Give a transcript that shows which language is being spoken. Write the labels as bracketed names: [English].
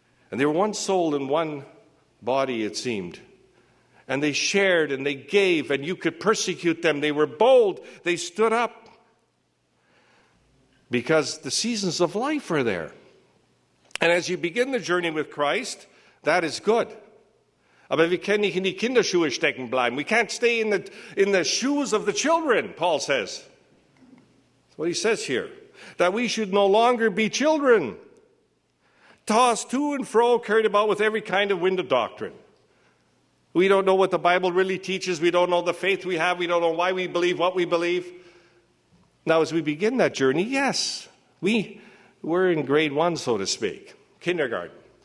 [English] And they were one soul in one body, it seemed. And they shared and they gave and you could persecute them. They were bold. They stood up. Because the seasons of life are there. And as you begin the journey with Christ, that is good. [German] Aber wir können nicht in die Kinderschuhe stecken bleiben. [English] We can't stay in the shoes of the children, Paul says. That's what he says here. That we should no longer be children. Tossed to and fro, carried about with every kind of wind of doctrine. We don't know what the Bible really teaches. We don't know the faith we have. We don't know why we believe what we believe. Now, as we begin that journey, yes, we're in grade one, so to speak, kindergarten.